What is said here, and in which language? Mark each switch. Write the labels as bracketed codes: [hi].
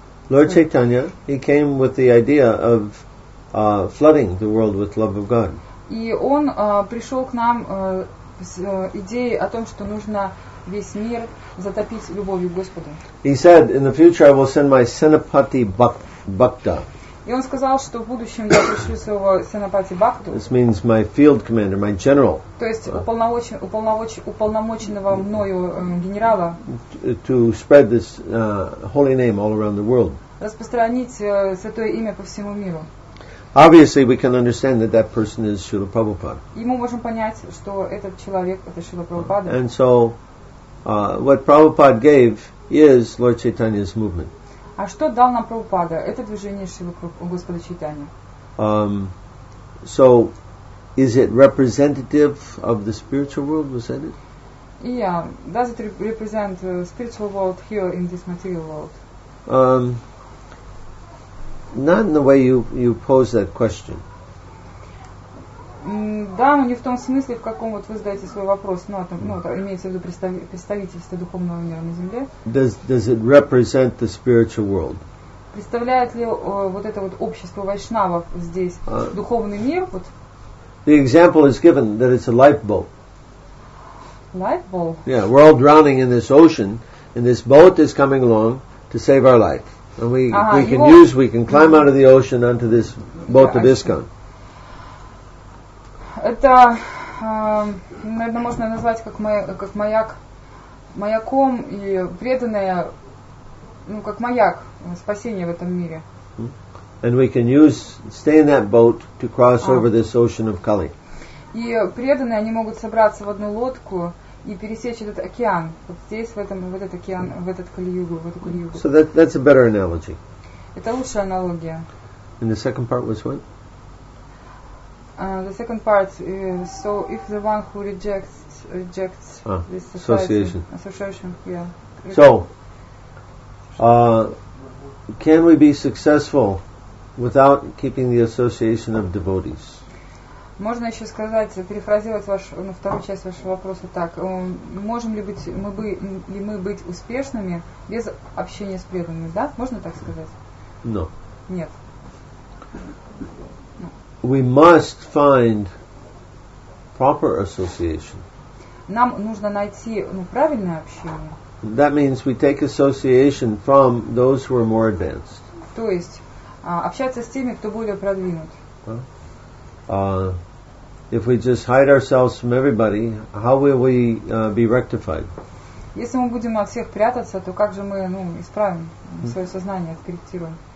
[en] Lord Chaitanya, he came with the idea of flooding the world with love of God. [ru] И он пришел к нам с идеей о том, что нужно весь мир затопить любовью к Господу. [en] He said, "In the future, I will send my Senapati Bhakta." [ru] И он сказал, что в будущем я пришлю своего Сенапати Бхакту. [en] This means my field commander, my general. [ru] То есть уполномоченного мною генерала. [en] To spread this holy name all around the world. [ru] Распространить святое имя по всему миру. [en] Obviously, we can understand that that person is Srila Prabhupada. [ru] И мы можем понять, что этот человек это Шрила Прабхупада. [en] And so, what Prabhupada gave is Lord Chaitanya's movement. [ru] А что дал нам Прабхупада? Это движение Шрилы Господа Чайтаньи. [en] So, is it representative of the spiritual world? Was that it? Yeah. Does it represent the spiritual world here in this material world? Not in the way you pose that question. [ru] Да, но не в том смысле, в каком вот вы задаете свой вопрос, но там, ну, там имеется в виду представительство духовного мира на Земле. [en] Does it represent the spiritual world? [ru] Представляет ли вот это вот общество вайшнавов здесь духовный мир? Вот? [en] The example is given that it's a lifeboat. Lifeboat? Yeah, we're all drowning in this ocean, and this boat is coming along to save our life. And we can climb out of the ocean onto this boat of ISKCON. [ru] Это, наверное, можно назвать как маяк, маяком и преданное, ну, как маяк спасения в этом мире. [en] And we can stay in that boat to cross over this ocean of Kali. [ru] И преданные, они могут собраться в одну лодку и пересечь этот океан, вот здесь, в этот океан, в этот Кали-югу, в эту Кали-югу. [en] So that's a better analogy. [ru] Это лучшая аналогия. [en] And the second part was what? The second part is, so if the one who rejects this association, yeah. So, can we be successful without keeping the association of devotees? [ru] Можно еще сказать, перефразировать вторую часть вашего вопроса так. Можем ли быть, мы быть успешными без общения с преданными, да? Можно так сказать? [en] No. [ru] Нет. [en] We must find proper association. [ru] Нам нужно найти, правильное общение. [en] That means we take association from those who are more advanced. [ru] То есть, общаться с теми, кто более продвинут. [en] If we just hide ourselves from everybody, how will we be rectified? [ru] Если мы будем от всех прятаться, то как же мы, исправим свое сознание, откорректируем?